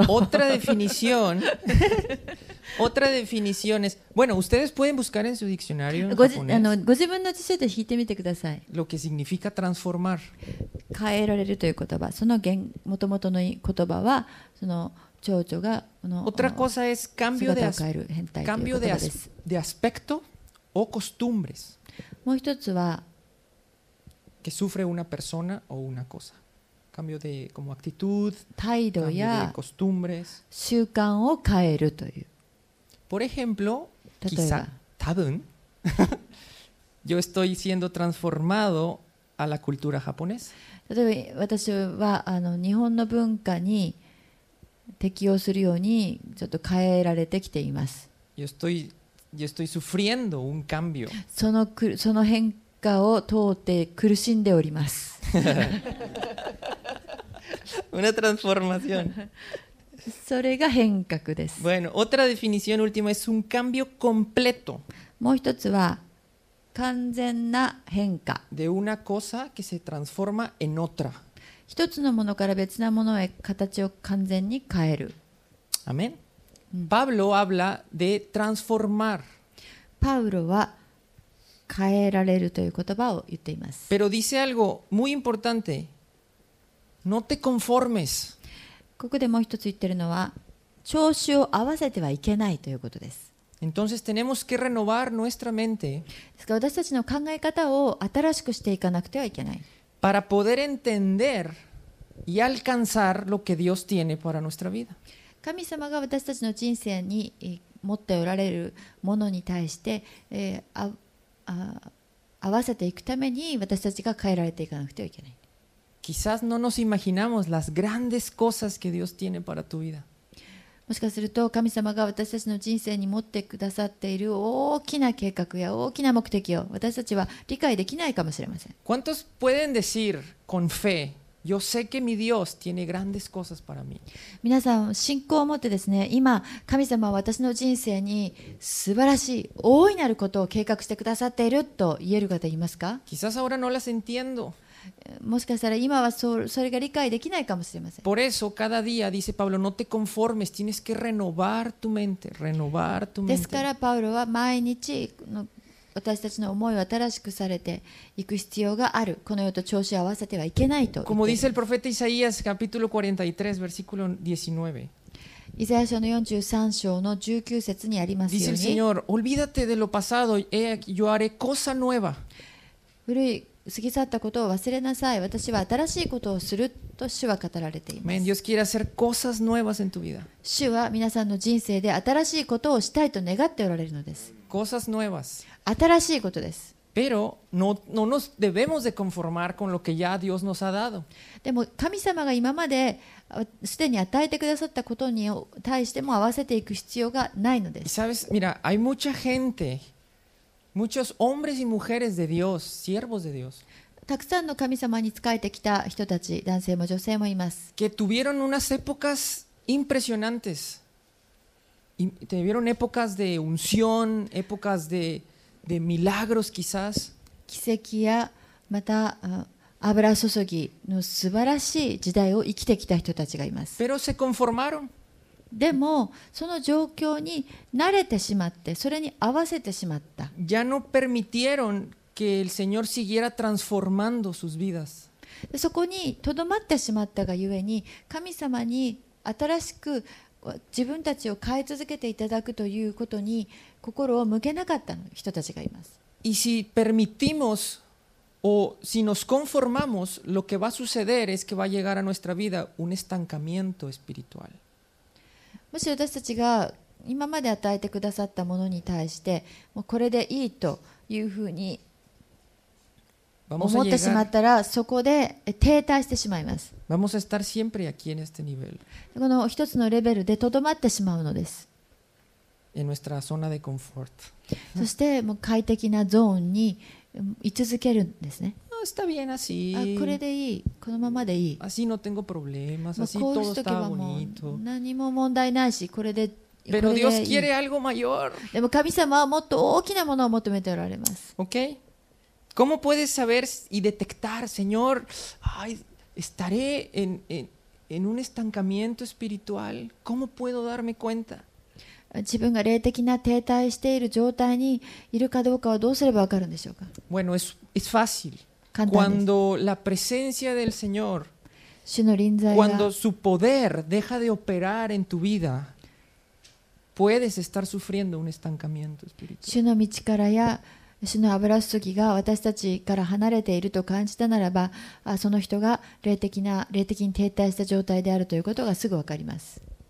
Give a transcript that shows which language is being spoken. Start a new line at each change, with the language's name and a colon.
Spanish: Otra definición. Otra definición es. Bueno, ustedes pueden buscar en su diccionario. En japonés,
Japanese: ご自分の辞書で引いてみてください。
Spanish: Lo que significa transformar.
Japanese: 変えられるという言葉。その元元々の言葉は、その蝶々がこの。
Spanish: Otra cosa es cambio de aspecto o costumbres.
Japanese: もう一つは。
Spanish: Que sufre una persona o una cosa. Cambio de como actitud,
Japanese: 態度や
Spanish: costumbres.
Japanese: 習慣を変えるという。
Spanish: Por ejemplo,
Japanese: 例えば
Spanish: quizá,
Japanese: 多分、
Spanish: yo estoy siendo transformado a la cultura japonesa.
Japanese: 例えば私は日本の文化に適応するようにちょっと変えられてきています。
Spanish: Yo estoy sufriendo un cambio.
Japanese: その変化を通って苦しんでおります。
Spanish: Una transformación.
Japanese: それが変革です。
Spanish: Bueno, otra definición última es un cambio completo.
Japanese: もう一つは完全な変化。
Spanish: De una cosa que se transforma en otra.
Japanese: 一つのものから別なものへ形を完全に変える。
Spanish: Amén. Pablo habla de transformar.
Japanese: パウロは変えられるという言葉を言っています。
Spanish: Pero dice algo muy importante. No、te conformes.
Japanese: ここでもう一つ言ってるのは調子を合わせてはいけないということです。
Spanish: Entonces, tenemos que renovar nuestra mente.
Japanese: ですから私たちの考え方を新しくしていかなくてはいけない。
Spanish: Para poder entender y alcanzar lo que Dios tiene para nuestra vida.
Japanese: 神様が私たちの人生に持っておられるものに対して、合わせていくために私たちが変えられていかなくてはいけない。
Spanish: Quizás no nos imaginamos las grandes cosas que Dios tiene para tu vida.
Japanese: もしかすると神様が私たちの人生に持ってくださっている大きな計画や大きな目的を私たちは理解できないかもしれません。
Spanish: ¿Cuántos pueden decir con fe, yo sé que mi Dios tiene grandes cosas para mí?
Japanese: 皆さん信仰を持ってですね、今神様は私の人生に素晴らしい大いなることを計画してくださっていると言える方いますか
Spanish: ？Quizás ahora no las entiendo.
Japanese: もしかしたら今はそれが理解できないかもしれません。
Spanish: Por eso, cada día, dice Pablo, no te conformes, tienes que renovar tu mente, renovar tu mente.
Japanese: ですから、パウロは毎日の私たちの思いを新しくされていく必要がある。この世と調子を合わせてはいけないと。
Spanish: Como dice el profeta Isaías, capítulo 43, versículo 19.
Japanese: イザヤ書の43章の19節にありますように。
Spanish: Dice el Señor, olvídate de lo pasado, yo haré cosa nueva.
Japanese: 古い過ぎ去ったことを忘れなさい。私は新しいことをすると主は語られています。主は皆さんの人生で新しいことをしたいと願っておられるのです。新しいことです。
Spanish: Pero no, no nos debemos de conformar con lo que ya Dios nos ha dado. Pero
Japanese: 神様が今まですでに与えてくださったことに対しても合わせていく必要がないのです。
Spanish: ¿Sabes? Mira, hay mucha gente, muchos hombres y mujeres de Dios, siervos de Dios.
Japanese: たくさんの神様に仕えてきた人たち、男性も女性もいます。
Spanish: Que tuvieron unas épocas impresionantes. Y tuvieron épocas de unción, épocas de... De milagros, quizás.
Japanese: 奇跡やまた油注ぎの素晴らしい時代を生きてきた人たちがいます。
Spanish: Pero se conformaron.
Japanese: でもその状況に慣れてしまって、それに合わせてしまった。
Spanish: Ya no permitieron que el Señor siguiera transformando sus vidas.
Japanese: そこにとどまってしまったがゆえに、神様に新しく自分たちを変え続けていただくということに心を向けなかった人たちがいます。
Spanish: Y si permitimos o si nos conformamos, lo que va a suceder es que va a llegar a nuestra vida un estancamiento espiritual.
Japanese: もし私たちが今まで与えてくださったものに対して、もうこれでいいというふうに思ってしまったら、そこで停滞してしまいます。
Spanish: Vamos a estar siempre aquí en este nivel.
Japanese: この一つのレベルでとどまってしまうのです。
Spanish: En nuestra zona de confort.
Japanese: そしてもう快適なゾーンに居続けるんですね。
Spanish: Oh, está bien así.
Japanese: これでいい、このままでいい。
Spanish: Así no tengo problemas. Así todo está bonito.
Japanese: 何も問題ないし、これで。
Spanish: Pero Dios quiere algo mayor.
Japanese: でも神様はもっと大きなものを求めておられます。
English: Okay.
Spanish: ¿Cómo puedes saber y detectar, Señor, ay, estaré en un estancamiento espiritual? ¿Cómo puedo darme cuenta?
Japanese: 自分が霊的な停滞している状態にいるかどうかはどうすればわかるんでしょうか?
Spanish: Bueno, es fácil.
Japanese: 簡単です。
Spanish: Cuando la presencia del Señor,
Japanese: 主の臨在が、
Spanish: cuando su poder deja de operar en tu vida,puedes estar sufriendo un estancamiento espiritual.
Japanese: 主の道からや主の油注ぎが私たちから離れていると感じたならば、その人が霊的に停滞した状態であるということがすぐわかります。